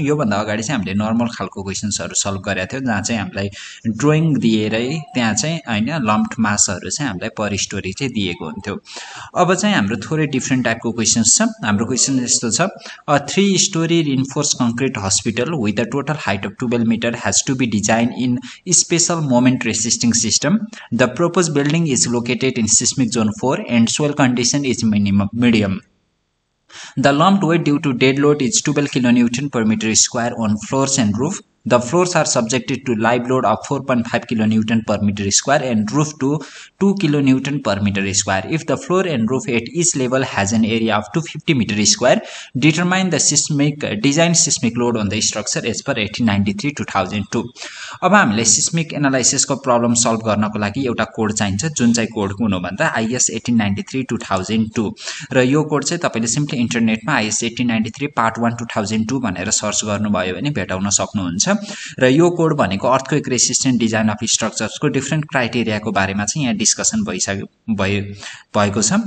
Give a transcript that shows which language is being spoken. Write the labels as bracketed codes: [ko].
[ne] योभन्दा अगाडि चाहिँ हामीले नर्मल खालको क्वेसन्सहरू सल्भ गरेका थियौँ जहाँ चाहिँ हामीलाई ड्रइङ दिएरै त्यहाँ चाहिँ होइन लम्प्ड मासहरू चाहिँ हामीलाई पर स्टोरी चाहिँ दिएको हुन्थ्यो। अब चाहिँ हाम्रो थोरै डिफ्रेन्ट टाइपको क्वेसन्स छ। हाम्रो क्वेसन यस्तो छ, [en] A three storey reinforce concrete hospital with a total height of 12 meter has to be designed in special moment resisting system. The proposed building is located in seismic zone 4 and soil condition is medium. The lumped weight due to dead load is 12 kN per meter square on floors and roof. The floors are subjected to live load of 4.5 kN per meter square and roof to 2 kN per meter square. If the floor and roof at each level has an area of 250 meter square, determine the seismic design seismic load on the structure as per 1893-2002. [ne] अब हामीले seismic एनालाइसिसको problem solve गर्नको लागि एउटा code चाहिन्छ, जुन चाहिँ code हुनु भन्दा IS 1893-2002, र यो कोड चाहिँ तपाईँले सिम्पली इन्टरनेटमा IS 1893 Part 1 2002 भनेर सर्च गर्नुभयो भने भेटाउन सक्नुहुन्छ। र यो कोड भनेको earthquake resistant design of स्ट्रक्चर्सको different क्राइटेरियाको बारेमा चाहिँ यहाँ डिस्कसन भएको छ।